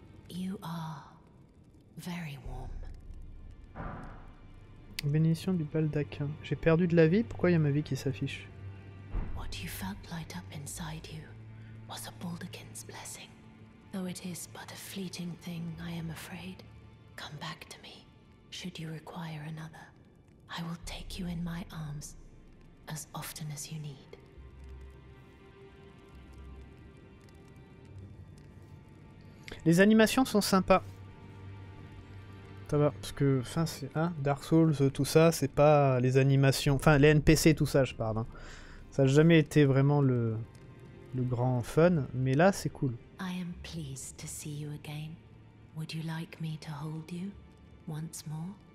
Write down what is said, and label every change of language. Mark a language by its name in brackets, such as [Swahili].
[English] You are very warm. [French] Bénédiction du baldaquin. J'ai perdu de la vie, pourquoi il y a ma vie qui s'affiche? [English] What you felt light up inside you was a baldaquin's blessing. Though it is but a fleeting thing, I am afraid. Come back to me. Should you require another, I will take you in my arms as often as you need. [French] Les animations sont sympas. Ça va, parce que fin c'est hein, Dark Souls, tout ça, c'est pas les animations, enfin les NPC, tout ça, je parle. Hein. Ça n'a jamais été vraiment le grand fun, mais là c'est cool. [English] I am pleased to see you again. Would you like me to hold you once more?